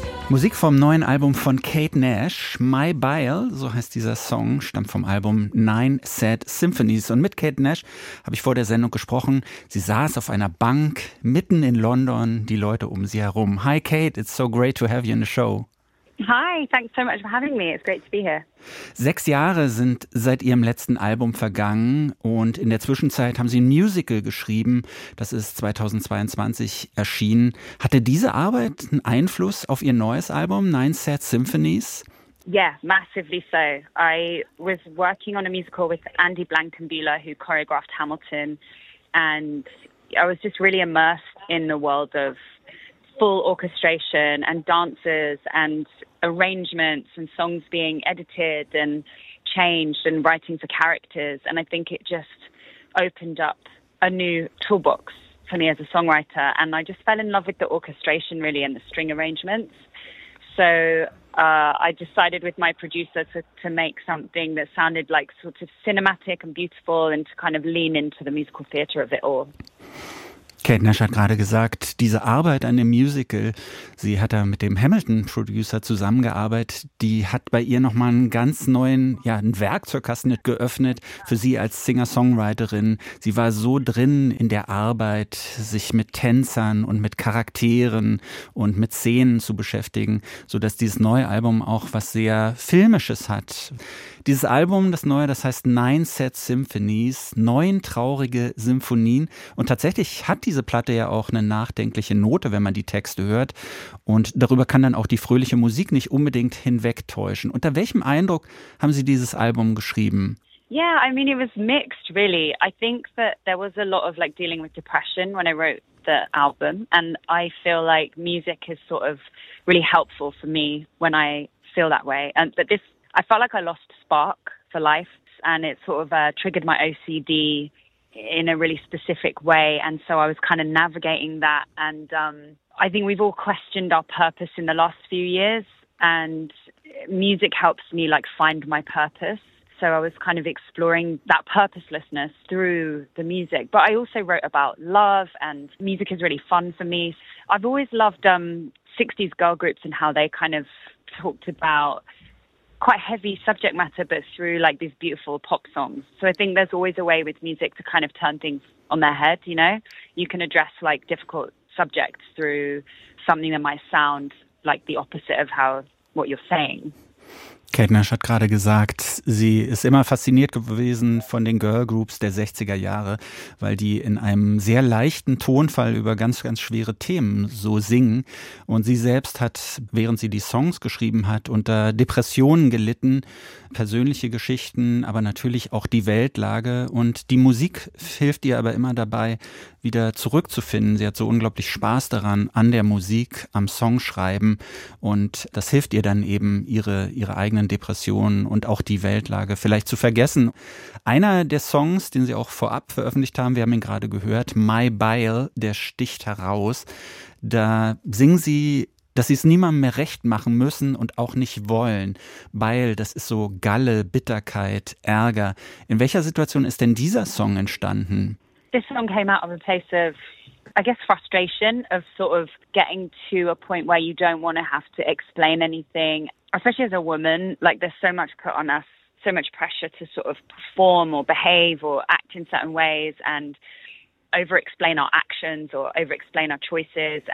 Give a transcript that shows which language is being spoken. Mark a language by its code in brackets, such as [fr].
[de] Musik vom neuen Album von Kate Nash, My Bile, so heißt dieser Song, stammt vom Album Nine Sad Symphonies. Und mit Kate Nash habe ich vor der Sendung gesprochen. Sie saß auf einer Bank mitten in London, die Leute um sie herum. [en] Hi Kate, it's so great to have you in the show. Hi, thanks so much for having me. It's great to be here. [de] 6 Jahre sind seit ihrem letzten Album vergangen und in der Zwischenzeit haben sie ein Musical geschrieben. Das ist 2022 erschienen. Hatte diese Arbeit einen Einfluss auf ihr neues Album, Nine Sad Symphonies? [en] Yeah, massively so. I was working on a musical with Andy Blankenbuehler, who choreographed Hamilton. And I was just really immersed in the world of full orchestration and dancers and arrangements and songs being edited and changed and writing for characters. And I think it just opened up a new toolbox for me as a songwriter. And I just fell in love with the orchestration really and the string arrangements. So I decided with my producer to make something that sounded like sort of cinematic and beautiful and to kind of lean into the musical theater of it all. [de] Kate Nash hat gerade gesagt, diese Arbeit an dem Musical, sie hat da mit dem Hamilton-Producer zusammengearbeitet, die hat bei ihr nochmal einen ganz neuen, ja, einen Werkzeugkasten geöffnet für sie als Singer-Songwriterin. Sie war so drin in der Arbeit, sich mit Tänzern und mit Charakteren und mit Szenen zu beschäftigen, sodass dieses neue Album auch was sehr Filmisches hat. Dieses Album, das neue, das heißt Nine Sad Symphonies, 9 traurige Symphonien. Und tatsächlich hat diese Platte ja auch eine nachdenkliche Note, wenn man die Texte hört. Und darüber kann dann auch die fröhliche Musik nicht unbedingt hinwegtäuschen. Unter welchem Eindruck haben Sie dieses Album geschrieben? [en] Yeah, I mean, it was mixed, really. I think that there was a lot of like dealing with depression when I wrote the album. And I feel like music is sort of really helpful for me when I feel that way. And but this, I felt like I lost spark for life and it sort of triggered my OCD in a really specific way. And so I was kind of navigating that. And I think we've all questioned our purpose in the last few years and music helps me like find my purpose. So I was kind of exploring that purposelessness through the music. But I also wrote about love and music is really fun for me. I've always loved 60s girl groups and how they kind of talked about quite heavy subject matter, but through like these beautiful pop songs. So I think there's always a way with music to kind of turn things on their head, you know? You can address like difficult subjects through something that might sound like the opposite of how what you're saying. [de] Kate Nash hat gerade gesagt, sie ist immer fasziniert gewesen von den Girlgroups der 60er Jahre, weil die in einem sehr leichten Tonfall über ganz, ganz schwere Themen so singen. Und sie selbst hat, während sie die Songs geschrieben hat, unter Depressionen gelitten, persönliche Geschichten, aber natürlich auch die Weltlage. Und die Musik hilft ihr aber immer dabei, wieder zurückzufinden. Sie hat so unglaublich Spaß daran, an der Musik, am Songschreiben. Und das hilft ihr dann eben, ihre eigenen Depressionen und auch die Weltlage vielleicht zu vergessen. Einer der Songs, den sie auch vorab veröffentlicht haben, wir haben ihn gerade gehört, My Bile, der sticht heraus. Da singen sie dass sie es niemandem mehr recht machen müssen und auch nicht wollen, weil das ist so Galle, Bitterkeit, Ärger. In welcher Situation ist denn dieser Song entstanden? [en] This song came out of a place of, I guess, frustration of sort of getting to a point where you don't want to have to explain anything, especially as a woman, like there's so much put on us, so much pressure to sort of perform or behave or act in certain ways and over-explain our actions or over-explain our choices.